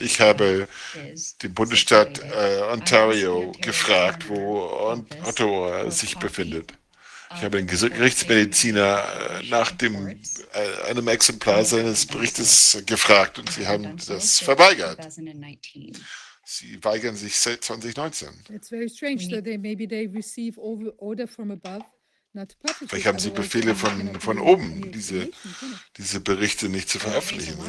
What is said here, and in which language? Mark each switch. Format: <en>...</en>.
<de>Ich habe den Bundesstaat Ontario gefragt, wo Ottawa sich befindet. Ich habe den Gerichtsmediziner nach einem Exemplar seines Berichtes gefragt und sie haben das verweigert. Sie weigern sich seit 2019.</de> <en>It's very strange that maybe they receive order from above, not publicly.</en> <de>Vielleicht haben sie Befehle von oben, diese Berichte nicht zu veröffentlichen.</de>